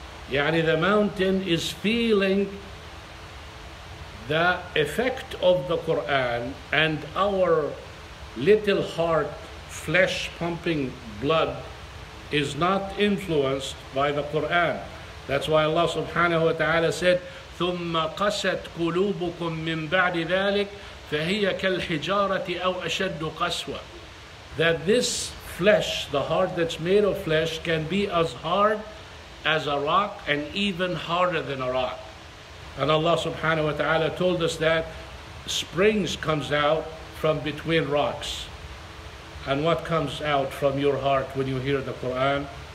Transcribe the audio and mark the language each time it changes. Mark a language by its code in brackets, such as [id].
[en] يعني the mountain is feeling the effect of the Quran and our little heart, flesh pumping blood, is not influenced by the Quran. That's why Allah subhanahu wa ta'ala said, [ar] ثُمَّ قَسَتْ قُلُوبُكُمْ مِنْ بَعْدِ ذَلِكَ فَهِيَ كَالْحِجَارَةِ أَوْ أَشَدُّ قَسْوَةً. [en] That this flesh, the heart that's made of flesh, can be as hard as a rock and even harder than a rock. And Allah subhanahu wa ta'ala told us that springs comes out from between rocks. And what comes out from your heart when you hear the Quran?